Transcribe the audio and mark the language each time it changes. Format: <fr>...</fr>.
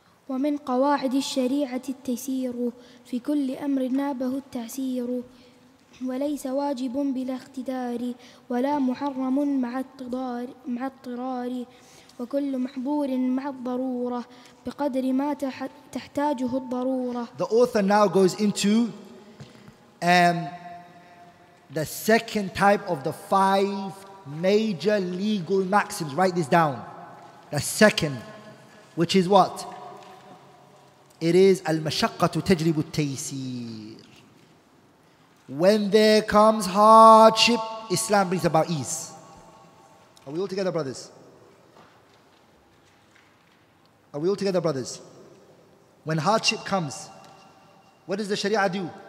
<ar>وَمِنْ قَوَاعِدِ الشَّرِيعَةِ التَّيْسِيرُ فِي كُلِّ أَمْرٍ نَابَهُ التَّعْسِيرُ وليس واجب بلا اختدار ولا محرم مع اضطرار وكل محظور مع الضرورة بقدر ما تحتاجه الضرورة.</ar> <en>The author now goes into the second type of the five major legal maxims. Write this down. The second, which is what? It is</en> <ar>المشقة تجلب التيسير.</ar> <en>When there comes hardship, Islam brings about ease. Are we all together, brothers? Are we all together, brothers? When hardship comes, what does the Sharia do?</en>